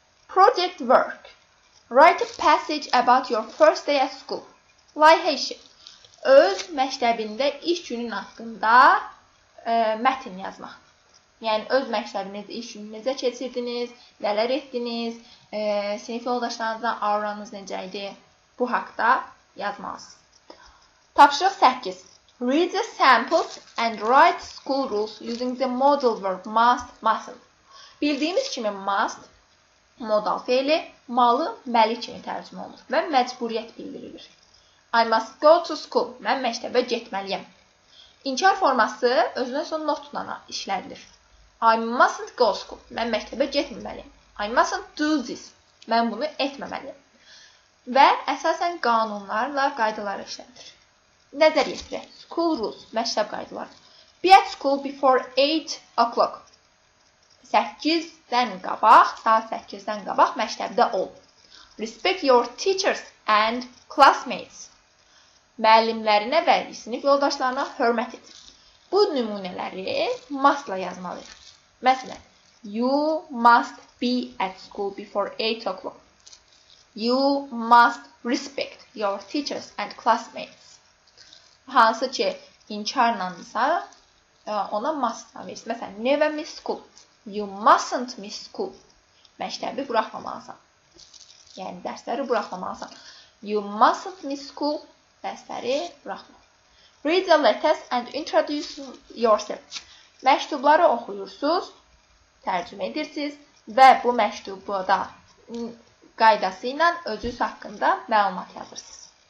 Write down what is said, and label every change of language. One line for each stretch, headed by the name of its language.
English: Project work. Write a passage about your first day at school.
Azerbaijani: Layihə işi. Öz məktəbində iş günün haqqında mətn yazmaq. Yəni, öz məktəbiniz iş günü necə keçirdiniz, nələr etdiniz, sinif yoldaşlarınızdan auranız necə idi, bu haqda yazmalısınız. Tapşırıq 8.
English: Read the samples and write school rules using the modal verb must, mustn't.
Azerbaijani: Bildiyimiz kimi must, modal feili, malı, məli kimi tərcümə olunur və məcburiyyət bildirilir.
English: I must go to school.
Azerbaijani: Mən məktəbə getməliyəm. İnkar forması özünün son notla işlədilir.
English: I mustn't go to school.
Azerbaijani: Mən məktəbə getməliyəm.
English: I mustn't do this.
Azerbaijani: Mən bunu etməməliyəm. Və əsasən qanunlarla qaydaları işlədilir. Nəzər yetirək.
English: School rules.
Azerbaijani: Məktəb qaydaları.
English: Be at school before 8 o'clock.
Azerbaijani: 8-dən qabaq, saat 8-dən qabaq məktəbdə ol.
English: Respect your teachers and classmates.
Azerbaijani: Müəllimlərinə və sinif yoldaşlarına hörmət et. Bu nümunələri must-la yazmalıyıq.
English: Məsələn, you must be at school before 8 o'clock. You must respect your teachers and classmates.
Azerbaijani: Hansı ki, inkarlansa ona must-la verir.
English: Məsələn, never miss school. You mustn't miss school.
Azerbaijani: Məktəbi buraxmamalısan. Yəni, dərsləri buraxmamalısan.
English: You mustn't miss school.
Azerbaijani: Dəstəri buraxma.
English: Read the letters and introduce yourself.
Azerbaijani: Məktubları oxuyursunuz, tərcümə edirsiniz və bu məktubu da qaydası ilə özünüz haqqında məlumat yazırsınız.